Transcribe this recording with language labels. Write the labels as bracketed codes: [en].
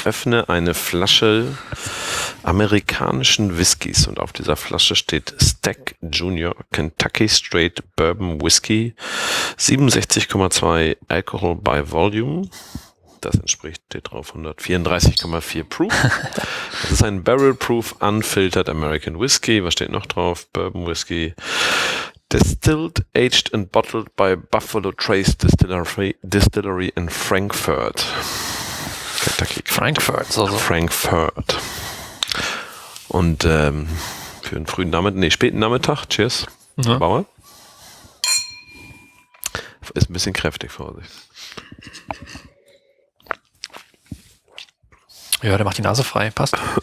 [de] Ich öffne eine Flasche amerikanischen Whiskys und auf dieser Flasche steht Stack Junior Kentucky Straight Bourbon Whiskey 67,2 [en] Alcohol by Volume. [de] Das entspricht steht drauf 134,4 Proof. Das ist ein [en] Barrel Proof Unfiltered American Whiskey. [de] Was steht noch drauf? Bourbon Whiskey. [en] Distilled, aged and bottled by Buffalo Trace Distillery in Frankfurt. [de] Kentucky. Frankfurt, so. Also. Frankfurt. Und für den frühen Nachmittag, späten Nachmittag, cheers, ja. Bauer. Ist ein bisschen kräftig, Vorsicht. Ja, der macht die Nase frei, passt.